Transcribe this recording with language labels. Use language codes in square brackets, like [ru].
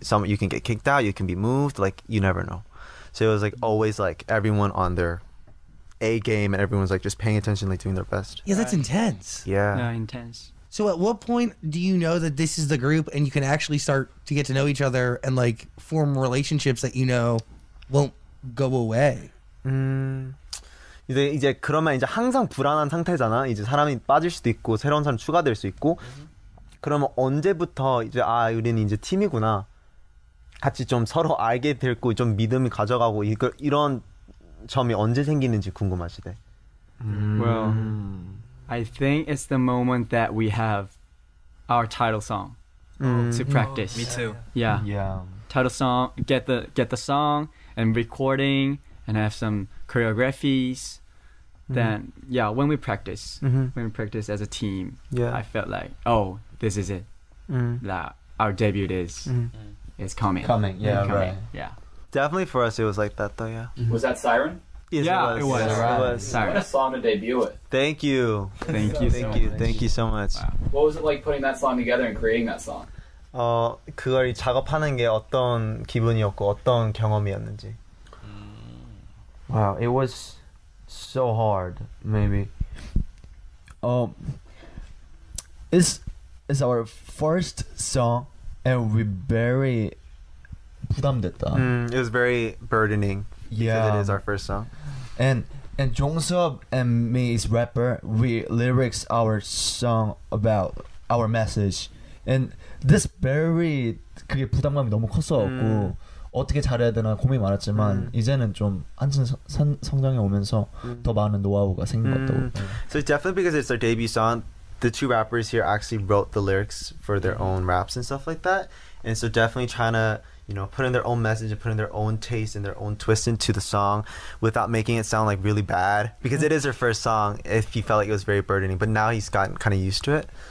[en] Some, you can get kicked out. You can be moved. Like, you never know. So it was like always like everyone on their A game and everyone's like just paying attention, like doing their best. Yeah, that's intense. Yeah. Yeah, intense. So at what point do you know that this is the group and you can actually start to get to know each other and like form relationships that you know won't go away? [ko] 이제 그러면 이제 항상 불안한 상태잖아. 이제 사람이 빠질 수도 있고 새로운 사람 추가될 수 있고. 그러면 언제부터 이제 아 우리는 이제 팀이구나. 같이 좀 서로 알게 되고 좀 믿음을 가져가고 이런 점이 언제 생기는지 궁금하시대. [en] Well, I think it's the moment that we have our title song to practice. Oh, me too. Yeah. Yeah. Title song, get the song and recording and have some choreographies. Then yeah, when we practice, when we practice as a team, yeah. I felt like, oh, this is it. That our debut is. It's coming. Coming, yeah, coming. Right. Yeah. Definitely for us, it was like that, though, yeah. Was that Siren? Yes, yeah, it was. It was. Siren. What a song to debut with. Thank you. Thank you so thank much. You. Thank you so much. Wow. What was it like putting that song together and creating that song? [ko] 그걸 작업하는 게 어떤 기분이었고 어떤 경험이었는지. [en] Wow, it was so hard, maybe. It's our first song. And we very [ko] 부담됐다. [en] It was very burdening. Yeah, because it is our first song. And Jongseop and me is rapper. We lyrics our song about our message. And this very [ko] 그게 부담감이 너무 컸었고 어떻게 잘해야 되나 고민 많았지만 이제는 좀 한층 성장해 오면서 더 많은 노하우가 생긴 것 같다고. [en] So definitely because it's our debut song. The two rappers here actually wrote the lyrics for their own raps and stuff like that. And so definitely trying to, you know, put in their own message and put in their own taste and their own twist into the song without making it sound like really bad. Because it is their first song, if he felt like it was very burdening. But now he's gotten kind of used to it.